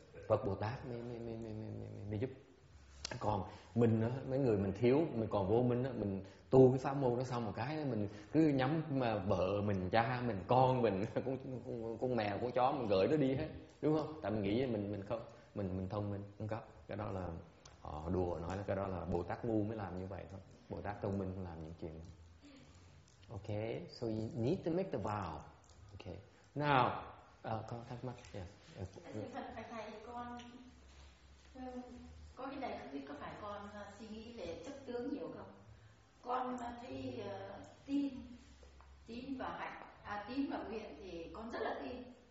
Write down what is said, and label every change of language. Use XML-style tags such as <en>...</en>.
<vi>Phật Bồ Tát mới giúp. Còn mình á, mấy người mình thiếu, mình còn vô minh á, mình tu cái pháp môn nó xong một cái mình cứ nhắm mà vợ mình, cha mình, con mình, con mèo, con chó mình gửi nó đi hết, đúng không? Tại mình nghĩ mình thông minh, không có. Cái đó là họ đùa nói là cái đó là Bồ Tát ngu mới làm như vậy thôi. Bồ Tát thông minh không làm những chuyện.</vi> <en>Okay, so you need to make the vow. Okay. Now,</en> <vi>có thắc mắc.</vi> <en>Yes.</en> <vi>Thưa thầy, con có cái này không biết có phải con suy nghĩ về chấp tướng nhiều không? Con thấy tín và nguyện thì con rất là tin.</vi>